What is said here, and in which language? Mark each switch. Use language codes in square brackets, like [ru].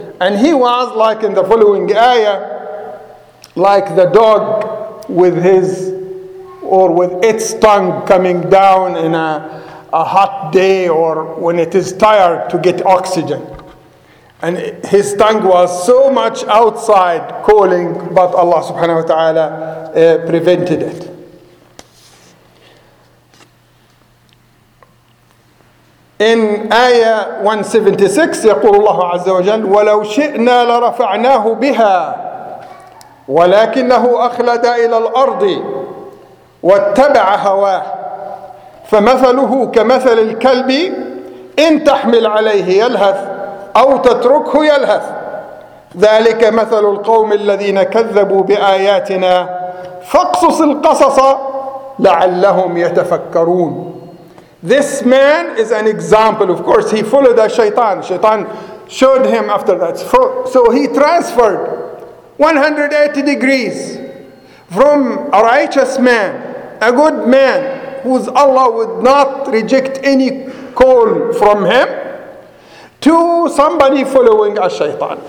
[en] And he was like in the following ayah, like the dog with his or with its tongue coming down in a hot day or when it is tired to get oxygen. And his tongue was so much outside calling, but Allah subhanahu wa ta'ala prevented it. In ayah 176, [ar] يقول الله عز وجل وَلَوْ شِئْنَا لَرَفَعْنَاهُ بِهَا وَلَكِنَّهُ أَخْلَدَ إِلَى الْأَرْضِ واتبع هواه فمثله كمثل الكلب إن تحمل عليه يلهث أو تتركه يلهث ذلك مثل القوم الذين كذبوا بآياتنا فاقصص القصص لعلهم يتفكرون. [en] This man is an example. Of course, he followed the shaitan. Shaitan showed him after that. So he transferred 180 degrees from a righteous man, a good man, whose Allah would not reject any call from him, to somebody following a shaitan.